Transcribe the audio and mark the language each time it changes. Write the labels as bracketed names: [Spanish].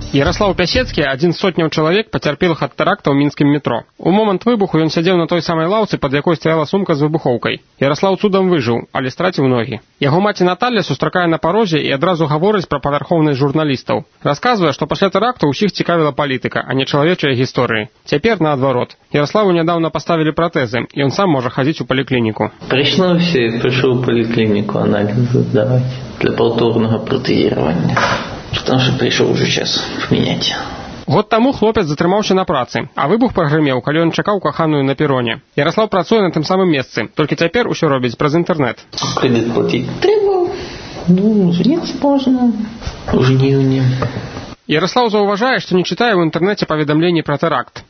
[Belarusian] Яраслаў Пясецкі, адзін з сотняў чалавек, пацярпелых ад тэракта ў мінскім метро. У момант выбуху ён сядзеў на той самай лаўцы, пад якой стаяла сумка з выбухоўкай. Яраслаў цудам выжыў, але страціў ногі. Яго маці Наталля сустракае на парозе і адразу гаворыць пра павярхоўнасць журналістаў. Расказвае, што пасля тэракту ўсіх цікавіла палітыка, а не чалавечыя гісторыі. Цяпер наадварот. Яраславу нядаўна [Russian] ставили протезы, и он сам может ходить в поликлинику. Пришло все, пришел в поликлинику анализы давать для повторного протезирования, потому что пришел уже час менять. [Belarusian] Год тому хлопец затрымаўся на працы, а выбух прагрымеў, калі ён чакаў каханую на пероне. Ярослав працуе на тым самым месцы, толькі цяпер усё робіць праз інтэрнэт. Крэдыт плаціць трэба, ну, жніць можна, у жніўні. Ярослав заўважае, што не чытае ў інтэрнэце паведамленні пра тэракт.